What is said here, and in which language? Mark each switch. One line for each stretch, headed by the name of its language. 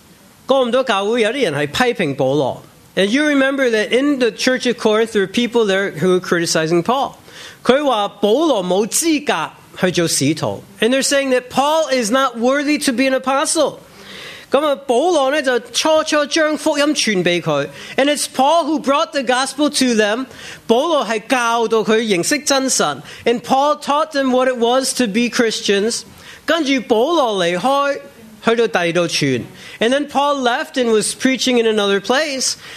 Cantonese: 你会记得，哥林多教会有啲人系批评保罗，
English: and you remember that in the church of Corinth there are people there who are criticizing Paul.
Cantonese: 佢话保罗冇资格去做使徒，
English: and they're saying that Paul is not worthy to be an apostle.
Cantonese: 咁啊，保罗咧就初初将福音传俾佢，
English: and it's Paul who brought the gospel to them.
Cantonese: 保罗系教导佢认识真神，
English: and Paul taught them what it was to be Christians.
Cantonese: 跟住保罗离开，去到第二度传，
English: and then Paul left and was preaching in another place.